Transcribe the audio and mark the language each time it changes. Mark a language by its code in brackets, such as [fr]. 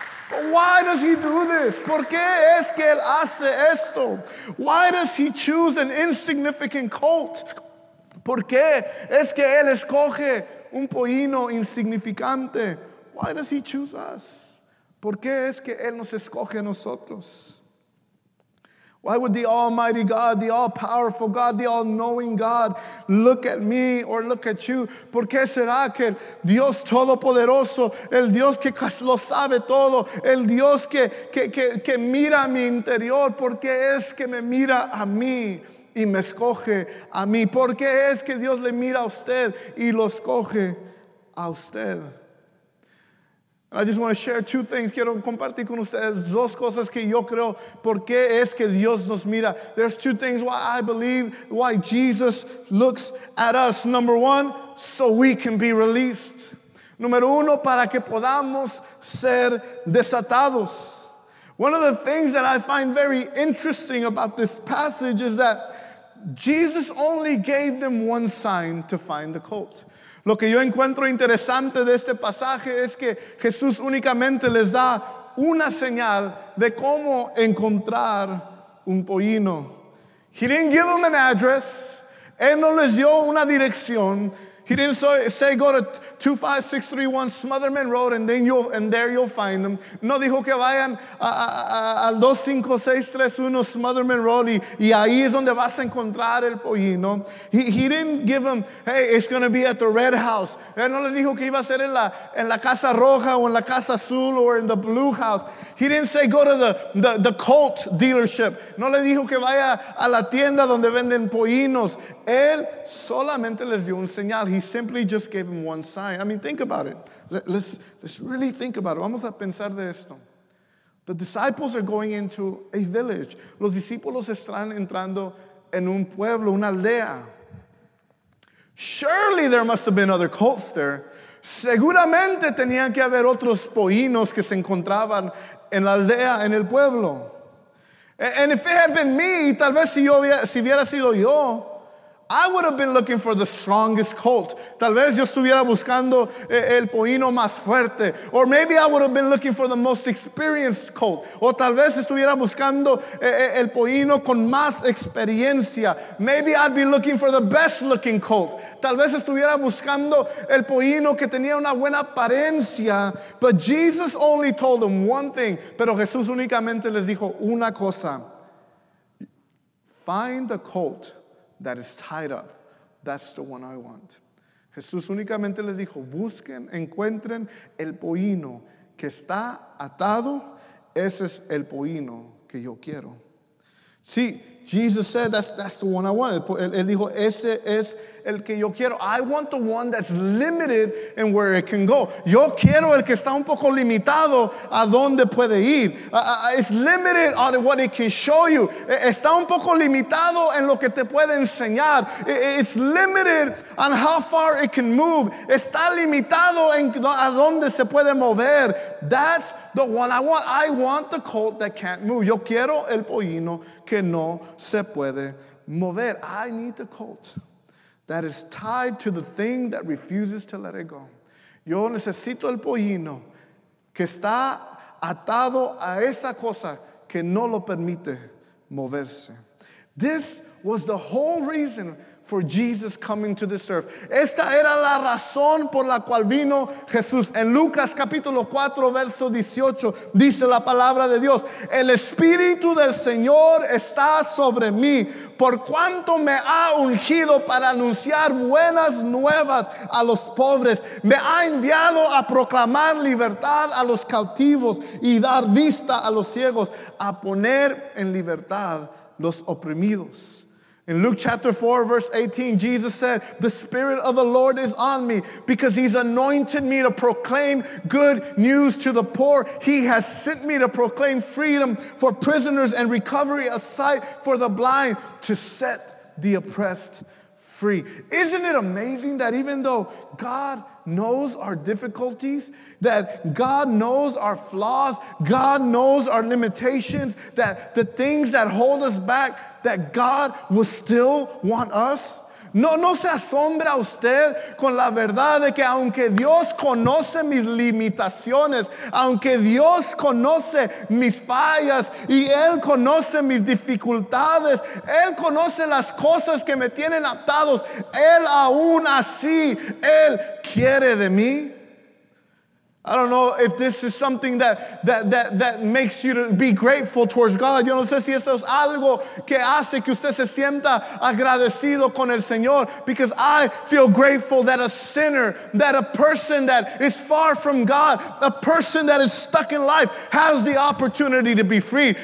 [en] Why does he do this? [es] ¿Por qué es que él hace esto? [en] Why does he choose an insignificant colt? [es] ¿Por qué es que él escoge un pollino insignificante? [en] Why does he choose us? [es] ¿Por qué es que él nos escoge a nosotros? [en] Why would the Almighty God, the all-powerful God, the all-knowing God look at me or look at you? [es] ¿Por qué será que Dios Todopoderoso, el Dios que lo sabe todo, el Dios que mira mi interior, por qué es que me mira a mí y me escoge a mí? ¿Por qué es que Dios le mira a usted y lo escoge a usted? [en] I just want to share two things. [es] Quiero compartir con ustedes dos cosas que yo creo por qué es que Dios nos mira. [en] There's two things why I believe why Jesus looks at us. Number one, so we can be released. [es] Número uno, para que podamos ser desatados. [en] One of the things that I find very interesting about this passage is that Jesus only gave them one sign to find the colt. [es] Lo que yo encuentro interesante de este pasaje es que Jesús únicamente les da una señal de cómo encontrar un pollino. [en] He didn't give them an address. [es] Él no les dio una dirección. [en] He didn't say go to 25631 Smotherman Road and there you'll find them. [es] No dijo que vayan al 25631 Smotherman Road y ahí es donde vas a encontrar el pollino. [en] He didn't give them, hey, it's going to be at the red house. [es] Él no les dijo que iba a ser en la casa roja o en la casa azul [en] or in the blue house. He didn't say go to the colt dealership. [es] No le dijo que vaya a la tienda donde venden pollinos. Él solamente les dio un señal. [en] He simply just gave him one sign. I mean, think about it. Let's really think about it. [es] Vamos a pensar de esto. [en] The disciples are going into a village. [es] Los discípulos están entrando en un pueblo, una aldea. [en] Surely there must have been other colts there. [es] Seguramente tenían que haber otros pollinos que se encontraban en la aldea, en el pueblo. [en] And if it had been me, [es] tal vez si hubiera sido yo, [en] I would have been looking for the strongest colt. [es] Tal vez yo estuviera buscando el pollino más fuerte. [en] Or maybe I would have been looking for the most experienced colt. [es] O tal vez estuviera buscando el pollino con más experiencia. [en] Maybe I'd be looking for the best looking colt. [es] Tal vez estuviera buscando el pollino que tenía una buena apariencia. [en] But Jesus only told them one thing. [es] Pero Jesús únicamente les dijo una cosa. [en] Find the colt that is tied up. That's the one I want. [es] Jesús únicamente les dijo, busquen, encuentren el pollino que está atado. Ese es el pollino que yo quiero. [en] See, Jesus said, that's the one I want. [es] Él dijo, ese es el que yo quiero. [en] I want the one that's limited in where it can go. [es] Yo quiero el que está un poco limitado a donde puede ir. [en] It's limited on what it can show you. [es] Está un poco limitado en lo que te puede enseñar. [en] It's limited on how far it can move. [es] Está limitado en a donde se puede mover. [en] That's the one I want. I want the colt that can't move. [es] Yo quiero el pollino que no se puede mover. [en] I need the colt that is tied to the thing that refuses to let it go. [es] Yo necesito el pollino que está atado a esa cosa que no lo permite moverse. [en] This was the whole reason for Jesus coming to this earth. [es] Esta era la razón por la cual vino Jesús. En Lucas capítulo 4 verso 18 dice la palabra de Dios, el Espíritu del Señor está sobre mí, por cuanto me ha ungido para anunciar buenas nuevas a los pobres, me ha enviado a proclamar libertad a los cautivos y dar vista a los ciegos, a poner en libertad los oprimidos. [en] In Luke chapter 4, verse 18, Jesus said, "The Spirit of the Lord is on me because he's anointed me to proclaim good news to the poor. He has sent me to proclaim freedom for prisoners and recovery of sight for the blind, to set the oppressed free." Isn't it amazing that even though God knows our difficulties, that God knows our flaws, God knows our limitations, that the things that hold us back, that God will still want us? [es] No se asombra usted con la verdad de que aunque Dios conoce mis limitaciones, aunque Dios conoce mis fallas y Él conoce mis dificultades, Él conoce las cosas que me tienen atados, Él aún así, Él quiere de mí. [en] I don't know if this is something that makes you to be grateful towards God. [es] Yo no sé si eso es algo que hace que usted se sienta agradecido con el Señor. [en] Because I feel grateful that a sinner, that a person that is far from God, a person that is stuck in life, has the opportunity to be free.